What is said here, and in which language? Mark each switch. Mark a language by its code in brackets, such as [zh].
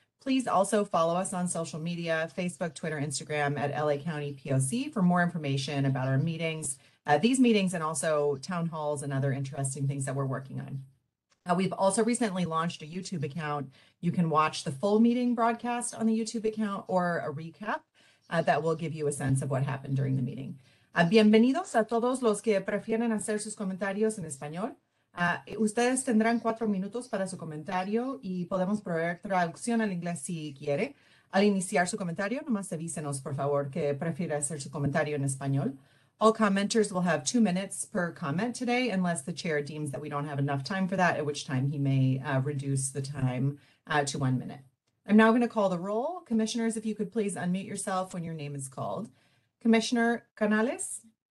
[en] Please also follow us on social media, Facebook, Twitter, Instagram at LA County POC for more information about our meetings, these meetings and also town halls and other interesting things that we're working on. We've also recently launched a YouTube account. You can watch the full meeting broadcast on the YouTube account or a recap. That will give you a sense of what happened during the meeting. [es] Bienvenidos a todos los que prefieren hacer sus comentarios en español. Ustedes tendrán 4 minutos para su comentario y podemos proveer traducción al inglés si quiere. Al iniciar su comentario, nomás avísenos, por favor, que prefiere hacer su comentario en español. [en] All commenters will have 2 minutes per comment today, unless the chair deems that we don't have enough time for that, at which time he may reduce the time to 1 minute. I'm now going to call the roll. Commissioners, if you could please unmute yourself when your name is called. Commissioner Canales?